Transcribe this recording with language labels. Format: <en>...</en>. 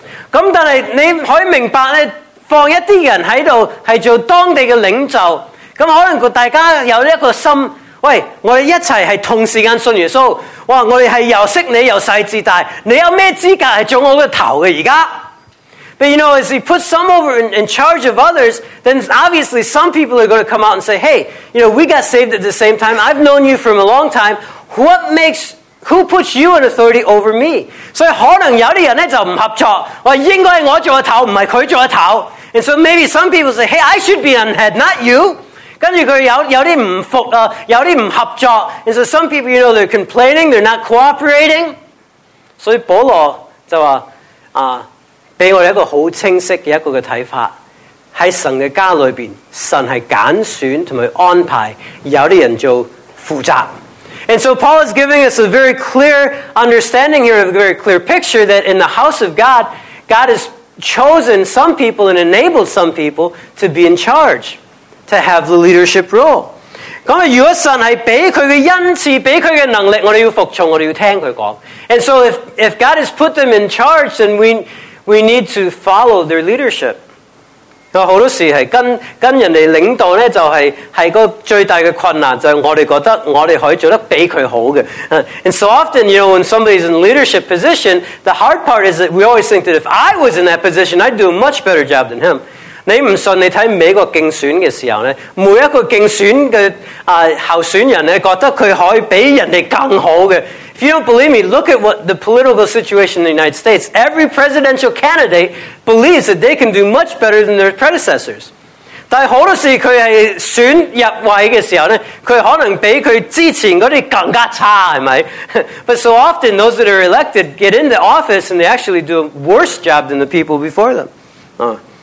<yue>咁但系你可以明白咧，放一啲人喺度系做当地嘅领袖，咁可能大家有一个心，喂，我哋一齐系同时间信耶稣，哇，我哋系又识你又细至大，你有咩资格系做我嘅头嘅而家？</yue> <en>But you know, as he puts some over in charge of others, then obviously some people are going to come out and say, hey, you know, we got saved at the same time. I've known you for a long time. Who puts you in authority over me?</en> <yue>所以可能有的人就不合作，说应该我做头，不是他做头。</yue> <en>And so maybe some people say, hey, I should be on head, not you.</en> <yue>跟着他有的不服，有的不合作。</yue> <en>And so some people, you know, they're complaining, they're not cooperating.</en> <yue>所以保罗就说，给我们一个很清晰的一个看法，在神的家里面，神是拣选和安排有的人做负责。</yue> <en>And so Paul is giving us a very clear understanding here, a very clear picture that in the house of God, God has chosen some people and enabled some people to be in charge, to have the leadership role.</en> <yue>如果神是给他的恩赐，给他的能力，我们要服从，我们要听他说。</yue> <en>And so if God has put them in charge, then we need to follow their leadership.</en> <yue>好多时系跟人哋领导咧，就系、是、个最大嘅困难，就系、是、我哋觉得我哋可以做得比佢好嘅。</yue> <en>And so often, you know, when somebody's in leadership position, the hard part is that we always think that if I was in that position, I'd do a much better job than him.</en> <yue>你唔信？你睇美国竞选嘅时候咧，每一个竞选嘅候选人咧，觉得佢可以比人哋更好嘅。</yue> <en>If you don't believe me, look at what the political situation in the United States. Every presidential candidate believes that they can do much better than their predecessors.</en> <yue>但好多时佢系选入位嘅时候咧，佢可能比佢之前嗰啲更加差，系咪？</yue> <en>But so often, those that are elected get in the office and they actually do a worse job than the people before them.</en>